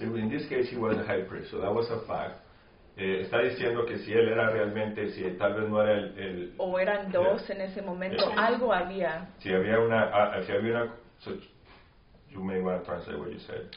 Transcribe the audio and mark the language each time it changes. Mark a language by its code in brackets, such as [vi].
[en] In this case, he was a high priest. So that was a fact. [es] Está diciendo que si él era realmente, si tal vez no era el o eran dos en ese momento, yeah. Algo había. Si había una. [en] So you may want to translate what you said.